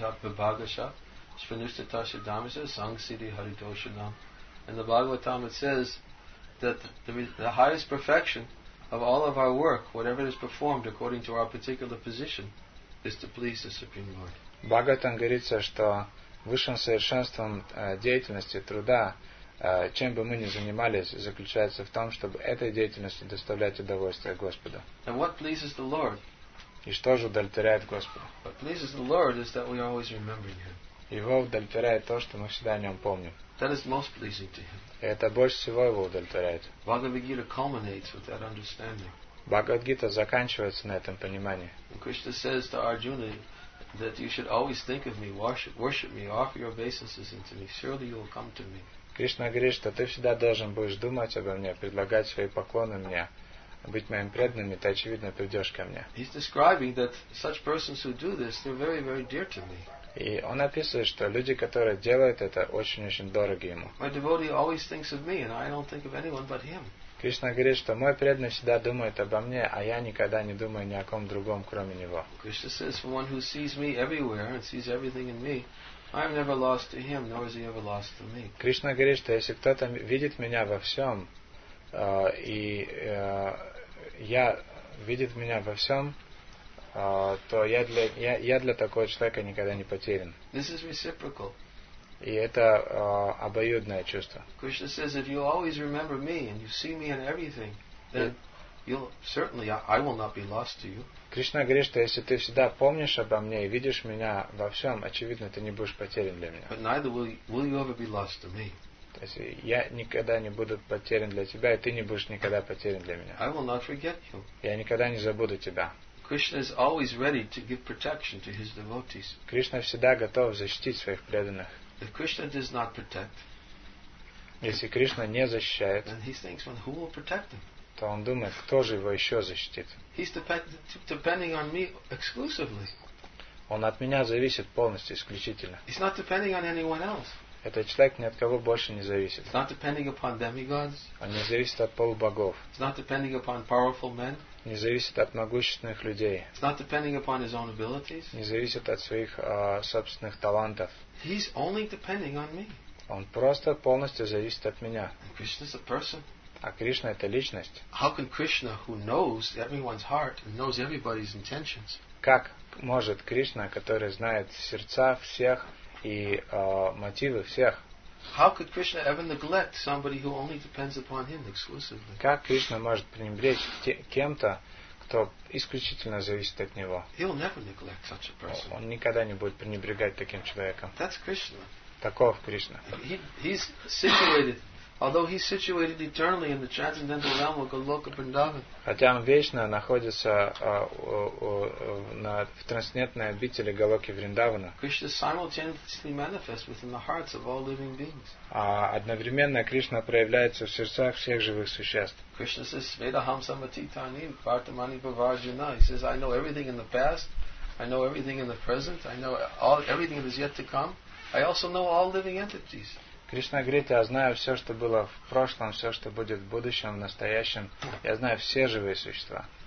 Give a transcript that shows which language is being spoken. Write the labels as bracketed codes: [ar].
[en] And the Bhagavatam it says that the highest perfection of all of our work, whatever is performed according to our particular position, is to please the Supreme Lord. [ru] Бхагаватам говорится, что высшим совершенством деятельности труда, чем бы мы ни занимались, заключается в том, чтобы этой деятельностью доставлять удовольствие Господу. [en] And what pleases the Lord? [ru] И что же удовлетворяет Господа? [en] What pleases the Lord is that we always remember Him. [ru] Его удовлетворяет то, что мы всегда о Нем помним. [en] That is most pleasing to Him. [ru] И это больше всего Его удовлетворяет. [en] Bhagavad Gita culminates with that understanding. [ru] Bhagavad Gita заканчивается на этом понимании. [en] And Krishna says to Arjuna that you should always think of me, worship me, offer your obeisances unto me. Surely you will come to me. [ru] Кришна говорит, что ты всегда должен будешь думать обо мне, предлагать свои поклоны мне, быть моим преданным, и ты, очевидно, придешь ко мне. [en] He's describing that such persons who do this, they're very, very dear to me. [ru] И он описывает, что люди, которые делают это, очень-очень дороги ему. [en] My devotee always thinks of me, and I don't think of anyone but him. [ru] Кришна говорит, что мой преданный всегда думает обо мне, а я никогда не думаю ни о ком другом, кроме него. [en] Krishna says, for one who sees me everywhere and sees everything in me, I am never lost to him, nor is he ever lost to me. [ru] Кришна говорит, что если кто-то видит меня во всем, и я видит меня во всем, то я для такого человека никогда не потерян. [en] This is reciprocal. [ru] И это обоюдное чувство. [en] Krishna says, if you always remember me and you see me in everything, then you'll certainly I will not be lost to you. [ru] Кришна говорит, что если ты всегда помнишь обо мне и видишь меня во всем, очевидно, ты не будешь потерян для меня. [en] But neither will you ever be lost to me. [ru] То есть я никогда не буду потерян для тебя, и ты не будешь никогда потерян для меня. [en] I will not forget you. [ru] Я никогда не забуду тебя. [en] Krishna is always ready to give protection to his devotees. [ru] Кришна всегда готов защитить своих преданных. [en] If Krishna does not protect, [ru] если Кришна не защищает, [en] then he thinks, well, who will protect him? [ru] То он думает, кто же его еще защитит? [en] He's depending on me exclusively. [ru] Он от меня зависит полностью, исключительно. [en] He's not depending on anyone else. [ru] Этот человек ни от кого больше не зависит. [en] It's not depending upon demigods. [ru] Он не зависит от полубогов. [en] It's not depending upon powerful men. [ru] Не зависит от могущественных людей. [en] It's not depending upon his own abilities. [ru] Не зависит от своих собственных талантов. [en] He's only depending on me. [ru] Он просто полностью зависит от меня. [en] And Krishna's a person. [ru] А Кришна — это личность. [en] How can Krishna, who knows everyone's heart and knows everybody's intentions? [ru] Как может Кришна, который знает сердца всех и мотивы всех? [en] How could Krishna ever neglect somebody who only depends upon him exclusively? [ru] Как Кришна может пренебречь кем-то, кто исключительно зависит от него? [en] He'll never neglect such a person. [ru] Он никогда не будет пренебрегать таким человеком. [en] That's Krishna. [ru] Таков Кришна. [en] He's situated. Although he's situated eternally in the transcendental realm of Goloka Vrindavan. [ru] Хотя он вечно находится в трансцендентной обители Голоки Вриндавана. [en] Krishna simultaneously manifests within the hearts of all living beings. [ru] Одновременно Кришна проявляется в сердцах всех живых существ. [en] Krishna says, [sa] "Svedaham samatitani vartamani bhavarjuna." [en] He says, "I know everything in the past. I know everything in the present. I know everything that is yet to come. I also know all living entities." [ru] Кришна говорит, я знаю все, что было в прошлом, все, что будет в будущем, в настоящем. Я знаю все живые существа.